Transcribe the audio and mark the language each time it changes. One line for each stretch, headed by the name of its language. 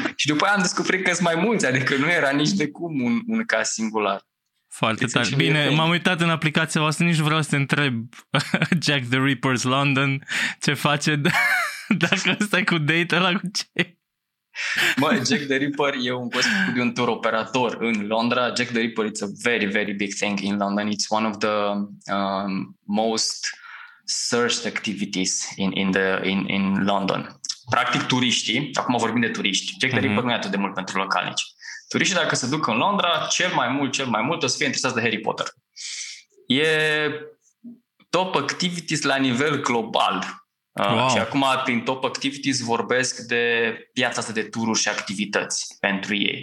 Romanian: Și după aia am descoperit că sunt mai mulți, adică nu era nici de cum un caz singular. Foarte tare. Bine, m-am uitat în aplicația voastră, nici vreau să te întreb Jack the Ripper's London ce face dacă stai cu date-ul ăla cu ce. Bă, Jack the Ripper, eu am fost cu un tour operator în Londra.
English: Jack the Ripper, it's a very, very big thing in London. It's one of the most searched activities in London.
Romanian: Practic, turiștii, acum vorbim de turiști, Jack the Ripper nu e atât de mult pentru localnici. Turiștii, dacă se duc în Londra, cel mai mult o să fie interesați de Harry Potter. E top activities la nivel global. Wow. Și acum, prin top activities, vorbesc de piața asta de tururi și activități pentru ei.